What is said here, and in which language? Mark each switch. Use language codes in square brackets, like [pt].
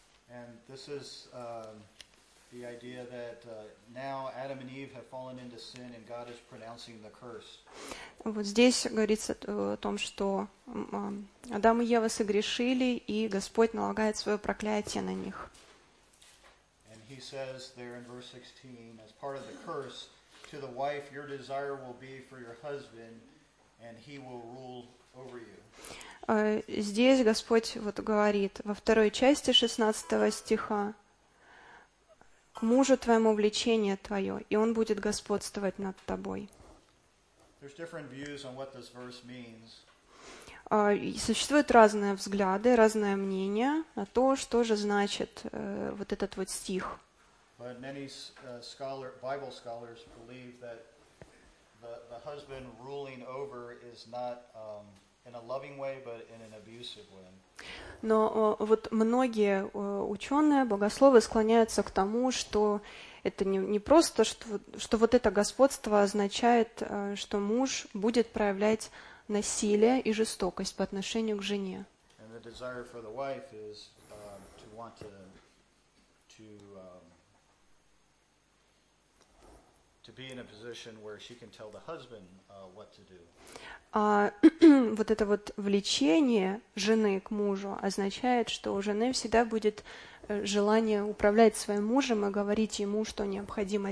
[en] And this is the idea that now Adam and Eve have fallen into sin and God is pronouncing the curse. [ru] Вот здесь говорится о том, что Адам и Ева согрешили, и Господь налагает свое проклятие на них. [en] And he says there in verse 16, as part of the curse, to the wife your desire will be for your husband, and he will rule over you. [ru] Здесь Господь вот говорит во второй части 16 стиха, к мужу твоему влечение твое, и он будет господствовать над тобой. [en] There's different views on what this verse means. [ru] Существуют разные взгляды, разное мнение на то, что же значит вот этот вот стих. [en] But many Bible scholars believe that the husband ruling over is not in a loving way, but in an abusive way. [ru] Но вот многие ученые, богословы склоняются к тому, что это не просто, что вот это господство означает, что муж будет проявлять насилие и жестокость по отношению к жене. [en] And the desire for the wife is to want to be in a position where she can tell the husband what to do. [ru] А вот это вот влечение жены к мужу означает, что у жены всегда будет желание управлять своим мужем и говорить ему, что необходимо